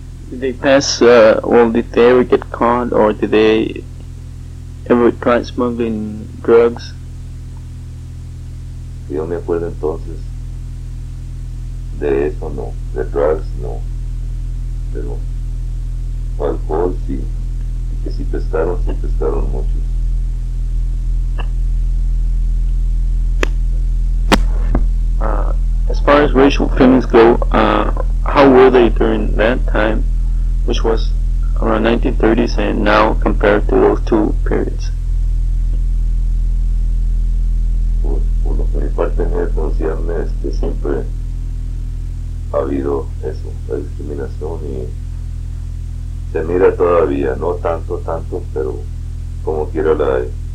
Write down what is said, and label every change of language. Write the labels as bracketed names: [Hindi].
[English] Did they pass, well, did they ever get caught, or did they ever try smuggling drugs? [Spanish] Yo me acuerdo entonces de eso, no, de drugs, no, pero alcohol, sí, que sí pescaron muchos. [English] As far as racial feelings go, how were they during that time, which was around 1930s, and now compared to those two periods? [Spanish] Por lo que mi parte me conocían, siempre ha habido eso, la discriminación, y se mira todavía, no tanto, pero como quiera la hay.